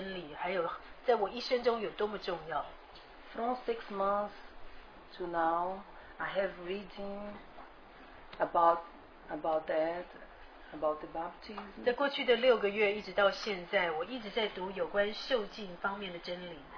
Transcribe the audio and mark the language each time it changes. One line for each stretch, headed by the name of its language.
Chinese: 没有人教导我有关这受浸的真理，还有在我一生中有多么重要。
English: From 6 months to now, I have reading about that, about the baptism.
Chinese: 在过去的6个月一直到现在，我一直在读有关受浸方面的真理。